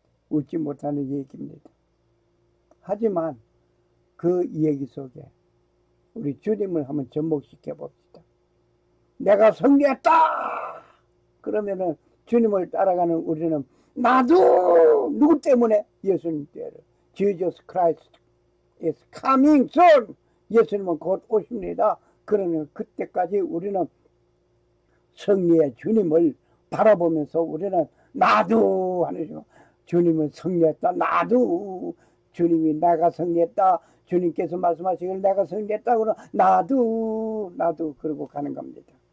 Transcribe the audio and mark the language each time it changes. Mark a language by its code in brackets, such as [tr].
[ko] 웃지 못하는 얘기입니다. 하지만 그 얘기 속에 우리 주님을 한번 접목시켜 봅시다. 내가 승리했다! 그러면은 주님을 따라가는 우리는 나도! 누구 때문에? 예수님 때문에. [en] Jesus Christ is coming soon! [ko] 예수님은 곧 오십니다. 그러면 그때까지 우리는 승리의 주님을 바라보면서 우리는 나도! 하는 식으로 주님은 승리했다. 나도! 주님이 내가 승리했다. 주님께서 말씀하시길 내가 승리했다고는 나도 그러고 가는 겁니다.